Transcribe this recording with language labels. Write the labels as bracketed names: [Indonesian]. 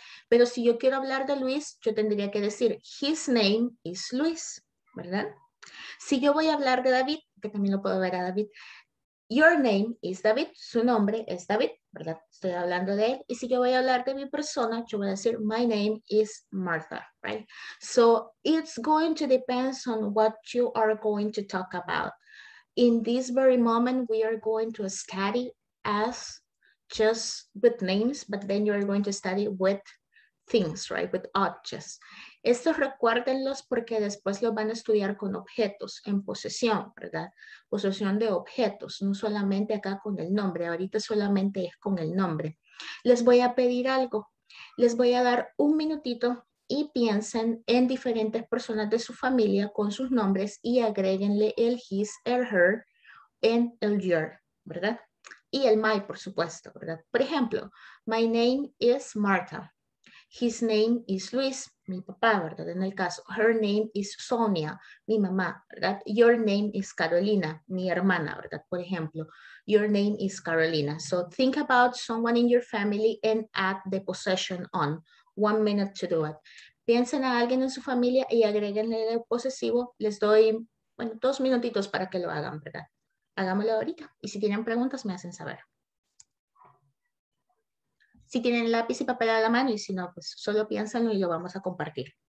[Spanish] Pero si yo quiero hablar de Luis, yo tendría que decir [English] his name is Luis, [Spanish] ¿verdad? Si yo voy a hablar de David, que también lo puedo ver a David, [English] your name is David. [Spanish] Su nombre es David, ¿verdad? Estoy hablando de él. Y si yo voy a hablar de mi persona, yo voy a decir [English] my name is Martha, right? So it's going to depend on what you are going to talk about. In this very moment, we are going to study as just with names, but then you are going to study with things, right? With objects. [Spanish] Esto recuérdenlos porque después lo van a estudiar con objetos en posesión, ¿verdad? Posesión de objetos, no solamente acá con el nombre. Ahorita solamente es con el nombre. Les voy a pedir algo. Les voy a dar un minutito y piensen en diferentes personas de su familia con sus nombres y agréguenle el his, el her, and el your, ¿verdad? Y el my, por supuesto, ¿verdad? Por ejemplo, [English] my name is Martha. His name is Luis, [Spanish] mi papá, ¿verdad? En el caso, [English] her name is Sonia, [Spanish] mi mamá, ¿verdad? [English] Your name is Carolina, [Spanish] mi hermana, ¿verdad? Por ejemplo, your name is Carolina. [English] So think about someone in your family and add the possession on. 1 minute to do it. [Spanish] Piensen a alguien en su familia y agréguenle el posesivo. Les doy, bueno, 2 minutitos para que lo hagan, ¿verdad? Hagámoslo ahorita. Y si tienen preguntas, me hacen saber. Si tienen lápiz y papel a la mano, y si no, pues solo piénsenlo y lo vamos a compartir.